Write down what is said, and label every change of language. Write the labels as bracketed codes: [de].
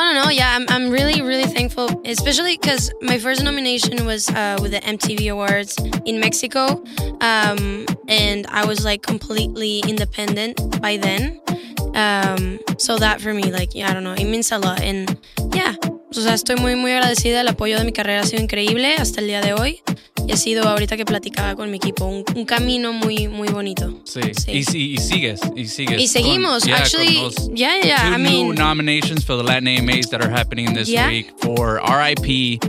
[en] Yeah, I'm really, really thankful, especially because my first nomination was with the MTV Awards in Mexico. And I was, like, completely independent by then. So that for me, like, yeah, I don't know, it means a lot. And yeah, [es] o sea, estoy muy, muy agradecida. El apoyo de mi carrera ha sido increíble hasta el día de hoy. Y ha sido ahorita que platicaba con mi equipo un camino muy, muy bonito. Sí, sí. Y sigues. Y seguimos. Con, [en] yeah, actually, yeah. Two new nominations for the Latin AMAs that are happening this week for RIP.